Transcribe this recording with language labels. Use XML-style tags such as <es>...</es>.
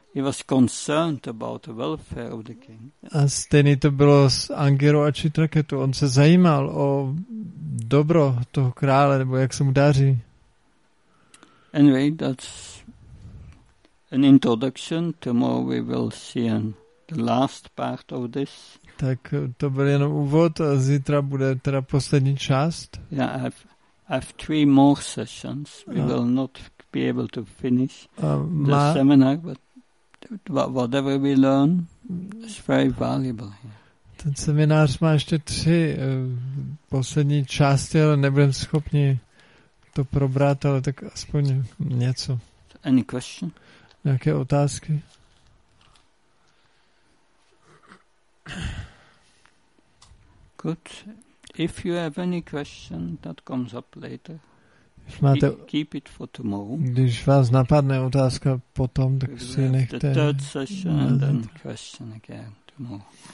<en>He was concerned about the welfare of the king.</en> <cs>A stejný to bylo s Angirou a Citraketu. On se zajímal o dobro toho krále, nebo jak se mu daří.</cs> <en>Anyway, that's an introduction. Tomorrow we will see an, the last part of this.</en> <cs>Tak to byl jenom úvod a zítra bude teda poslední část.</cs> <en>Yeah, I have three more sessions. We will not be able to finish the seminar, but whatever we learn is very valuable here.</en> <cs>Ten seminář má ještě tři poslední části, ale nebudem schopni to probrat, ale tak aspoň něco.</cs> <en>Any question?</en> <cs>Nějaké otázky?</cs> <en>Good. If you have any question that comes up later, keep it for tomorrow.</en> <cs>Když vás napadne otázka potom, tak si nechte.</cs> <en>The third session and then question again tomorrow.</en>